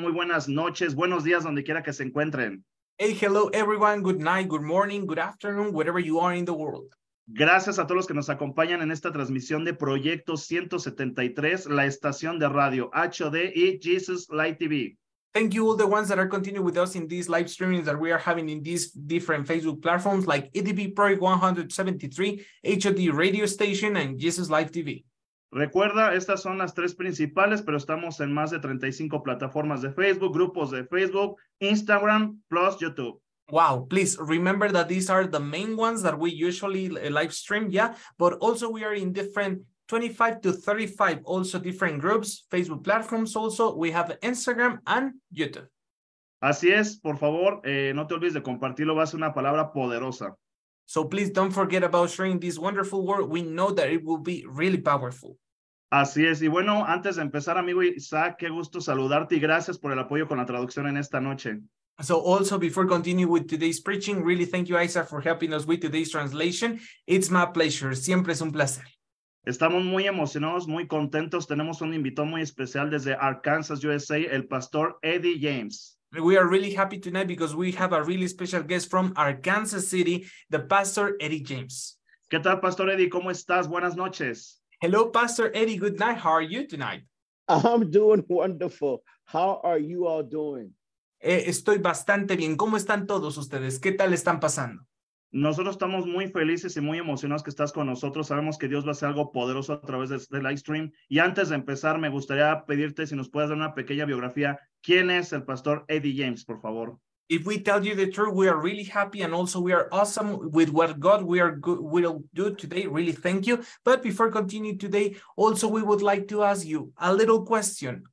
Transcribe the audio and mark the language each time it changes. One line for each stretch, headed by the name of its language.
Spanish: Muy buenas noches, buenos días, donde quiera que se encuentren.
English: Hey, hello everyone. Good night, good morning, good afternoon, wherever you are in the world.
Spanish: Gracias a todos los que nos acompañan en esta transmisión de Proyecto 173, la estación de radio HD y Jesus Light TV.
English: Thank you all the ones that are continuing with us in these live streamings that we are having in these different Facebook platforms like EDB Project 173, HD Radio Station and Jesus Light TV.
Spanish: Recuerda, estas son las tres principales, pero estamos en más de 35 plataformas de Facebook, grupos de Facebook, Instagram, plus YouTube.
English: Wow, please remember that these are the main ones that we usually live stream, yeah? But also we are in different 25 to 35, also different groups, Facebook platforms also. We have Instagram and YouTube.
Spanish: Así es, por favor, no te olvides de compartirlo, va a ser una palabra poderosa.
English: So please don't forget about sharing this wonderful word. We know that it will be really powerful.
Spanish: Así es. Y bueno, antes de empezar, amigo Isaac, qué gusto saludarte y gracias por el apoyo con la traducción en esta noche.
English: So also before continuing with today's preaching, really thank you, Isaac, for helping us with today's translation. It's my pleasure.
Spanish: Siempre es un placer. Estamos muy emocionados, muy contentos. Tenemos un invitado muy especial desde Arkansas, USA, el pastor Eddie James.
English: We are really happy tonight because we have a really special guest from Arkansas City, the Pastor Eddie James.
Spanish: ¿Qué tal, Pastor Eddie? ¿Cómo estás? Buenas noches.
English: Hello, Pastor Eddie. Good night. How are you tonight? I'm doing wonderful. How are you all doing?
Spanish: Estoy bastante bien. ¿Cómo están todos ustedes? ¿Qué tal están pasando? Nosotros estamos muy felices y muy emocionados que estás con nosotros. Sabemos que Dios va a hacer algo poderoso a través de este live stream. Y antes de empezar, me gustaría pedirte si nos puedes dar una pequeña biografía. ¿Quién es el pastor Eddie James, por favor?
English: If we tell you the truth, we are really happy and also we are awesome with what God we are will do today. Really, thank you. But before continuing today, also we would like to ask you a little question.